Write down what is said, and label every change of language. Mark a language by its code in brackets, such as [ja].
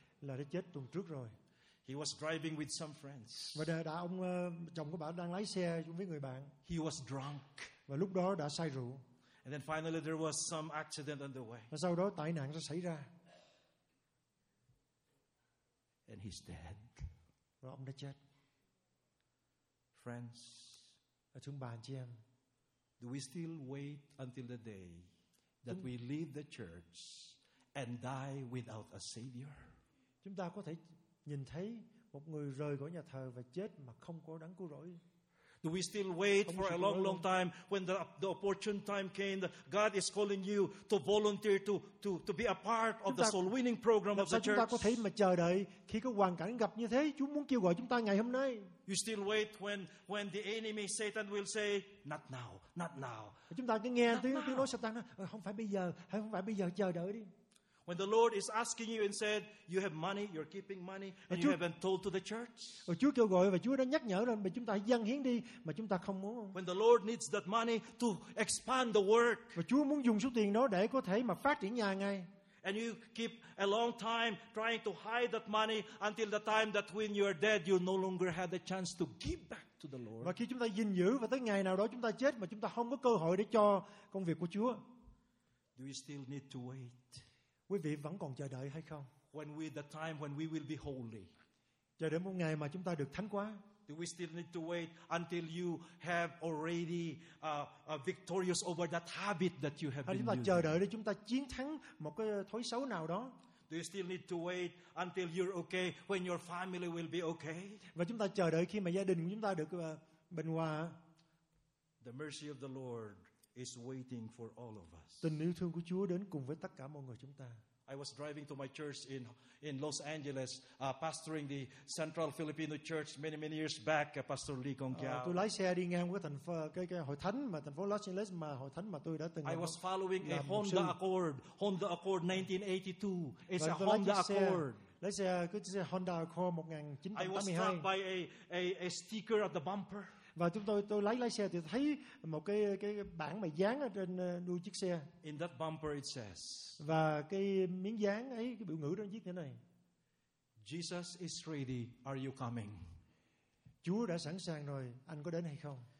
[vi] Là đã chết tuần trước rồi. [en] He was driving with some friends. [vi] Và đã ông chồng của bà đang lái xe cùng với người bạn. [en] He was drunk. [vi] Và lúc đó đã say rượu. [en] And then finally there was some accident on the way. [vi] Và sau đó tai nạn đã xảy ra. [en] And he's dead. [vi] Và ông đã chết. [en] Friends, [vi] thương bà anh chị em, [en] do we still wait until the day that we leave the church and die without a savior? [vi] Chúng ta có thể nhìn thấy một người rời khỏi nhà thờ và chết mà không có đấng cứu rỗi. [en] Do we still wait for a long, long time when the opportune time came that God is calling you to volunteer to be a part of the soul winning program of the church? [vi] Chúng ta có thể mà chờ đợi khi có hoàn cảnh gặp như thế, Chúa muốn kêu gọi chúng ta ngày hôm nay. [en] You still wait when the enemy Satan will say, not now, not now. [vi] Chúng ta cứ nghe tiếng nói Satan nói, không phải bây giờ, không phải bây giờ, chờ đợi đi. [en] When the Lord is asking you and said, you have money, you're keeping money, and you haven't told to the church. [vi] Chúa kêu gọi và Chúa đã nhắc nhở rằng chúng ta dâng hiến đi mà chúng ta không muốn. [en] When the Lord needs that money to expand the work. [vi] Và Chúa muốn dùng số tiền đó để có thể mà phát triển nhà ngay. [en] and you keep a long time trying to hide that money until the time that when you are dead, you no longer have the chance to give back to the Lord. [vi] Và khi chúng ta gìn giữ và tới ngày nào đó chúng ta chết mà chúng ta không có cơ hội để cho công việc của Chúa. [en] Do you still need to wait? [vi] Quý vị vẫn còn chờ đợi hay không? [en] When we the time when we will be holy. [vi] Chờ đến một ngày mà chúng ta được thánh quá. [en] Do we still need to wait until you have already victorious over that habit that you have been [vi] Hay chúng ta chờ đợi để chúng ta chiến thắng một cái thói xấu nào đó? [en] Do you still need to wait until you're okay when your family will be okay? [vi] Và chúng ta chờ đợi khi mà gia đình của chúng ta được bình hòa. [en] The mercy of the Lord is waiting for all of us. [vi] Tình yêu thương của Chúa đến cùng với tất cả mọi người chúng ta. [en] I was driving to my church in Los Angeles, pastoring the Central Filipino Church many years back, Pastor Lee Kong Kiao. [vi] Tôi lái xe đi ngang qua thành phố cái hội thánh mà thành phố Los Angeles mà hội thánh mà tôi đã từng. [en] I was following a Honda Accord 1982. It's a Honda Accord. [vi] Lái xe cái xe Honda Accord 1982. [en] I was struck by a sticker at the bumper. [vi] Và tôi lái xe thì thấy một cái bảng mà dán ở trên đuôi chiếc xe. [en] In that bumper it says. [vi] Và cái miếng dán ấy, cái biểu ngữ đó viết thế này. [en] Jesus is ready. Are you coming? [vi] Chúa đã sẵn sàng rồi. Anh có đến hay không?